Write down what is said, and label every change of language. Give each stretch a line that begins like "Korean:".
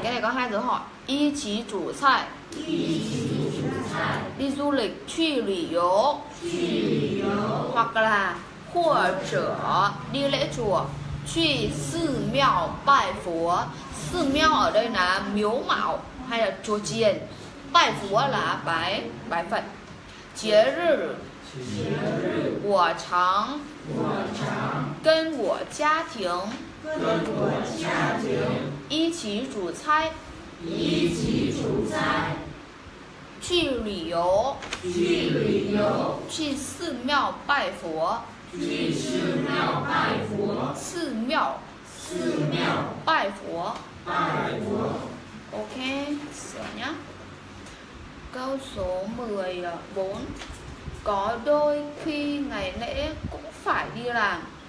Chinese: 给你刚开始好，一起煮菜，一起煮菜。
Vietnamese: đi du lịch
Chinese: 去旅游，去旅游。
Vietnamese: hoặc là
Chinese: 或者
Vietnamese: đi lễ chùa
Chinese: 去寺庙拜佛。
Vietnamese: 寺庙ở đây là miếu mạo hay là chùa chiền, bài phúa là bài bài phật.
Chinese: 节日, 节日, 我常, 我常跟我家庭, 跟我家庭一起煮菜, 一起煮菜, 去旅游, 去旅游, 去寺庙拜佛, 去寺庙拜佛, 寺庙寺庙拜佛，拜佛。 OK， 行呀。高手没有，bốn。
Vietnamese: Có đôi khi ngày lễ cũng phải đi làm.